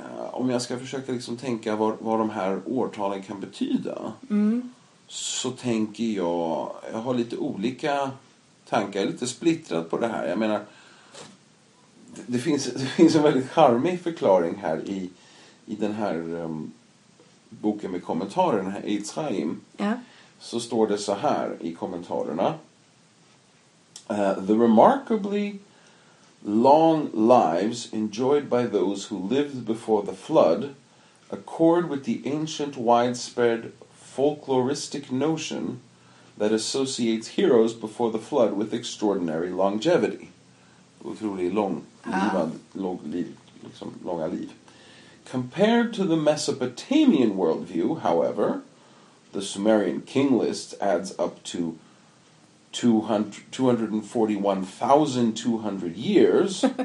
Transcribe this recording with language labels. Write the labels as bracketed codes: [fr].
[sv] om jag ska försöka liksom tänka vad de här årtalen kan betyda, så tänker jag, jag har lite olika tankar, jag är lite splittrad på det här. Jag menar, det finns en väldigt charmig förklaring här i den här boken med kommentarer, den här Eitzraim. Ja. Så står det så här i kommentarerna. [en] The remarkably long lives enjoyed by those who lived before the flood accord with the ancient widespread folkloristic notion that associates heroes before the flood with extraordinary longevity. [sv] Otroligt lång liv, lång liv, liksom långa liv. [en] Compared to the Mesopotamian worldview, however, the Sumerian king list adds up to 241,200 years.